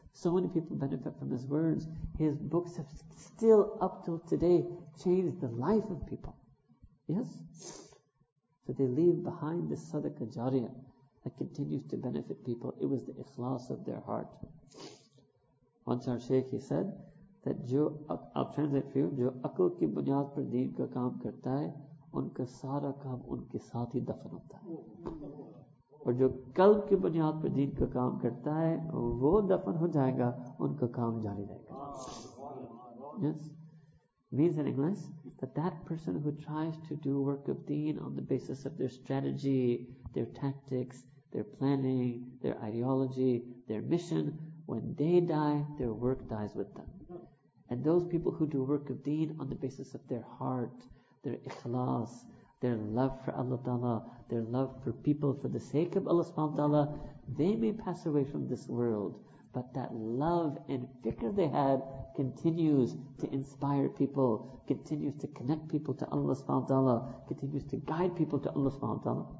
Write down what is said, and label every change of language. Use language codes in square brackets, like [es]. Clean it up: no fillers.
[en] So many people benefit from his words. His books have still, up till today, changed the life of people. Yes? So they leave behind the sadaqah jariyah that continues to benefit people. It was the ikhlas of their heart. Once our shaykh, he said, that [ur] جو، [en] I'll translate for you، [ur] جو عقل کی بنیاد پر دین کا کام کرتا ہے، ان کا سارا کام ان کے ساتھ ہی دفن ہوتا ہے۔ اور جو قلب کی بنیاد پر دین کا کام کرتا ہے، وہ دفن ہو جائے گا، ان کا کام جاری رہے گا۔ [en] Yes? Means in English, that person who tries to do work of deen on the basis of their strategy, their tactics, their planning, their ideology, their mission, when they die, their work dies with them. And those people who do work of deen on the basis of their heart, their ikhlas, their love for Allah Ta'ala, their love for people for the sake of Allah subhanahu wa ta'ala, they may pass away from this world, but that love and fikr they had continues to inspire people, continues to connect people to Allah subhanahu wa ta'ala, continues to guide people to Allah subhanahu wa ta'ala.